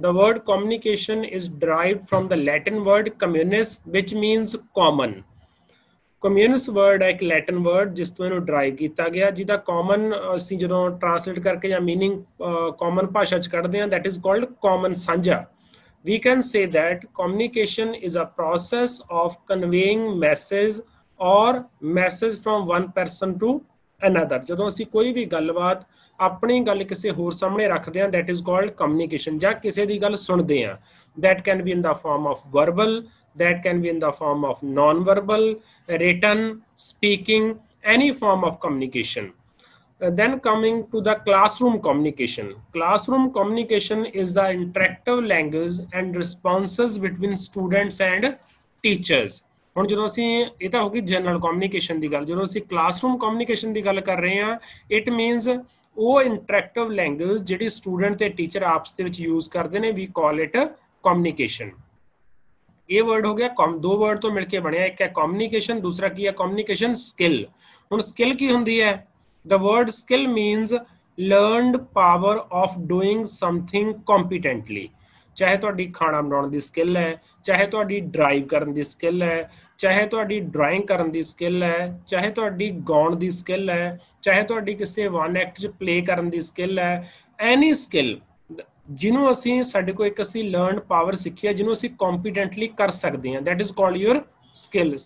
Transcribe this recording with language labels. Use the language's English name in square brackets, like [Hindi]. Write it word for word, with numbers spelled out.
[English] The word communication is derived from the Latin word communis, which means common. [Punjabi] Communis word ਹੈ ਇੱਕ Latin word ਜਿਸ ਤੋਂ ਇਹਨੂੰ drive ਕੀਤਾ ਗਿਆ, ਜਿਹਦਾ ਕਾਮਨ ਅਸੀਂ ਜਦੋਂ ਟਰਾਂਸਲੇਟ ਕਰਕੇ ਜਾਂ ਮੀਨਿੰਗ ਕਾਮਨ ਭਾਸ਼ਾ 'ਚ ਕੱਢਦੇ ਹਾਂ, [English] that is called [Punjabi] ਕਾਮਨ ਸਾਂਝਾ। [English] We can say that communication is a process of conveying message or message from one person to another. [Punjabi] ਜਦੋਂ ਅਸੀਂ ਕੋਈ ਵੀ ਗੱਲਬਾਤ ਆਪਣੀ ਗੱਲ ਕਿਸੇ ਹੋਰ ਸਾਹਮਣੇ ਰੱਖਦੇ ਹਾਂ, [English] that is called communication, [Punjabi] ਜਾਂ ਕਿਸੇ ਦੀ ਗੱਲ ਸੁਣਦੇ ਹਾਂ, [English] that can be in the form of verbal, that can be in the form of non-verbal, written, speaking, any form of communication. Uh, then coming to the classroom communication. Classroom communication is the interactive language and responses between students and teachers. [Punjabi] ਹੁਣ ਜਦੋਂ ਅਸੀਂ ਇਹ ਤਾਂ ਹੋ ਗਈ general communication ਦੀ ਗੱਲ, ਜਦੋਂ ਅਸੀਂ ਕਲਾਸਰੂਮ ਕਮਿਊਨੀਕੇਸ਼ਨ ਦੀ ਗੱਲ ਕਰ ਰਹੇ ਹਾਂ, [English] it means [Punjabi] ਉਹ ਇੰਟਰੈਕਟਿਵ ਲੈਂਗੁਏਜ ਜਿਹੜੀ ਸਟੂਡੈਂਟ ਤੇ ਟੀਚਰ ਆਪਸ ਦੇ ਵਿੱਚ ਯੂਜ਼ ਕਰਦੇ ਨੇ, [English] We call it communication. [Punjabi] ਇਹ ਵਰਡ ਹੋ ਗਿਆ ਕਮ, ਦੋ ਵਰਡ ਤੋਂ ਮਿਲ ਕੇ ਬਣਿਆ, ਇੱਕ ਹੈ ਕਮਿਊਨੀਕੇਸ਼ਨ, ਦੂਸਰਾ ਕੀ ਹੈ ਕਮਿਊਨੀਕੇਸ਼ਨ ਸਕਿੱਲ। ਹੁਣ ਸਕਿੱਲ ਕੀ ਹੁੰਦੀ ਹੈ? [English] The word skill means learned power of doing something competently. [Punjabi] ਚਾਹੇ ਤੁਹਾਡੀ ਖਾਣਾ ਬਣਾਉਣ ਦੀ ਸਕਿੱਲ ਹੈ, ਚਾਹੇ ਤੁਹਾਡੀ ਡਰਾਈਵ ਕਰਨ ਦੀ ਸਕਿੱਲ ਹੈ, ਚਾਹੇ ਤੁਹਾਡੀ ਡਰਾਇੰਗ ਕਰਨ ਦੀ ਸਕਿੱਲ ਹੈ, ਚਾਹੇ ਤੁਹਾਡੀ ਗਾਉਣ ਦੀ ਸਕਿੱਲ ਹੈ, ਚਾਹੇ ਤੁਹਾਡੀ ਕਿਸੇ ਵਨ ਐਕਟ 'ਚ ਪਲੇ ਕਰਨ ਦੀ ਸਕਿੱਲ ਹੈ, ਐਨੀ ਸਕਿੱਲ ਜਿਹਨੂੰ ਅਸੀਂ, ਸਾਡੇ ਕੋਲ ਇੱਕ ਅਸੀਂ ਲਰਨਡ ਪਾਵਰ ਸਿੱਖੀ ਹੈ ਜਿਹਨੂੰ ਅਸੀਂ ਕੰਪੀਟੈਂਟਲੀ ਕਰ ਸਕਦੇ ਹਾਂ, [English] That is called your skill.